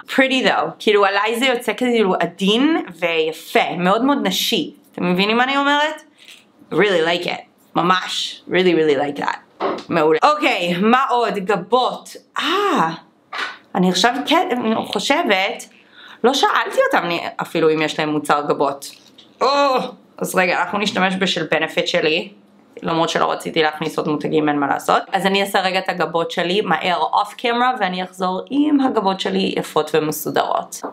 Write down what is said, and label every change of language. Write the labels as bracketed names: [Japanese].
[English] Pretty though, [Hebrew] כאילו עליי זה יוצא כאילו עדין ויפה, מאוד מאוד נשי, אתם מבינים מה אני אומרת? [English] Really like it, [Hebrew] ממש, [English] really really like that. [Hebrew] מעולה. אוקיי, מה עוד? גבות. אני עכשיו כן, חושבת, לא שאלתי אותם אפילו אם יש להם מוצר גבות. אז רגע, אנחנו נשתמש בשל בנפיט שלי. למרות שלא רציתי להכניס עוד מותגים, אין מה לעשות. אז אני אעשה רגע את הגבות שלי מהר אוף קמרה, ואני אחזור עם הגבות שלי יפות ומסודרות.